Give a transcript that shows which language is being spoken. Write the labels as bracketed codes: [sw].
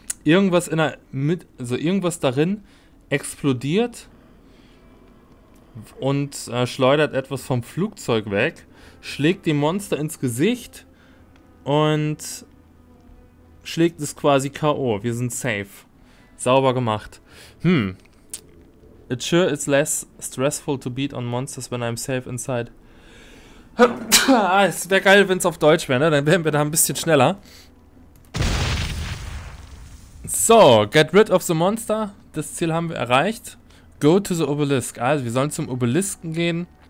[de] Irgendwas in der mit, also irgendwas darin explodiert und schleudert etwas vom Flugzeug weg, schlägt dem Monster ins Gesicht und schlägt es quasi K.O. Wir sind safe. Sauber gemacht. [en] It sure is less stressful to beat on monsters when I'm safe inside. [de] Es wäre geil, wenn es auf Deutsch wäre, ne? Dann wären wir da ein bisschen schneller. [en] So, get rid of the monster. [de] Das Ziel haben wir erreicht. [en] Go to the Obelisk. [de] Also, wir sollen zum Obelisken gehen.